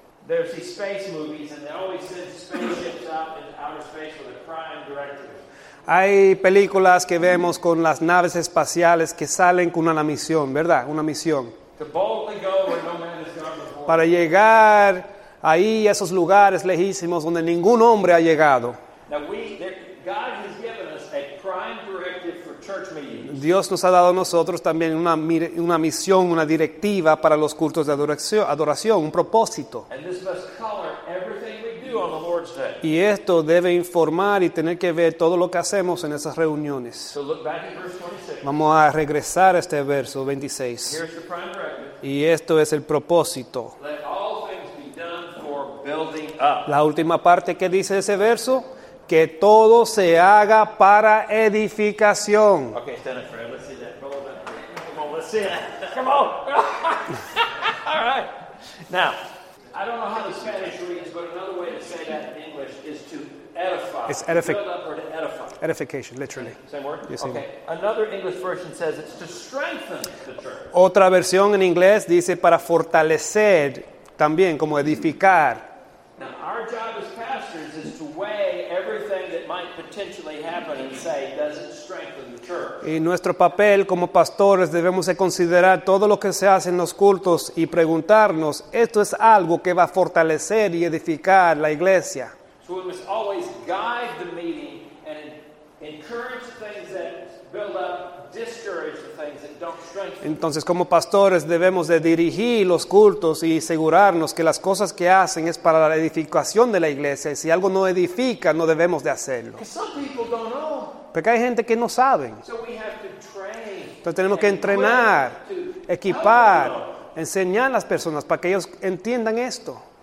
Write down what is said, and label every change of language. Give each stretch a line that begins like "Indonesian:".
English: There's these space movies and they always send spaceships out into outer space with a prime directive.
Spanish: Hay películas que vemos con las naves espaciales que salen con una misión, ¿verdad? Una misión.
English: To boldly go where no man has gone before.
Spanish: Para llegar ahí a esos lugares lejísimos donde ningún hombre ha llegado.
English: God has given us a prime directive for church meetings.
Spanish: Dios nos ha dado a nosotros también una misión, una directiva para los cultos de adoración, un propósito.
English: And this must color Lord's Day.
Spanish: Y esto debe informar y tener que ver todo lo que hacemos en esas reuniones.
English: So look back at verse 26.
Spanish: Vamos a regresar a este verso 26.
English: Here's the prime directive.
Spanish: Y esto es el propósito.
English: Let all things be done for building up.
Spanish: La última parte que dice ese verso, que todo se haga para edificación.
English: Okay, stand up, friend. Let's see that. Come on, let's see that. Come on. All right. Now, I don't know how the Spanish reads, but another way to say that in English is to edify. It's edific- build up or to edify. Edification, literally. Same word? Yes, same okay. Word. Another English version says it's to strengthen the church.
Spanish: Otra versión en inglés dice para fortalecer, también como edificar.
English: Now, our job as pastors is to weigh everything that might potentially happen and say, does it strengthen the church?
Spanish: Y nuestro papel como pastores debemos de considerar todo lo que se hace en los cultos y preguntarnos, ¿esto es algo que va a fortalecer y edificar la iglesia?
English: So we must always guide the meeting and encourage things that build up, discourage the things that don't strengthen.
Spanish: Entonces, como pastores debemos de dirigir los cultos y asegurarnos que las cosas que hacen es para la edificación de la iglesia. Y si algo no edifica, no debemos de hacerlo. Porque hay gente que no saben. Entonces tenemos que entrenar, equipar, enseñar a las personas para que ellos entiendan esto.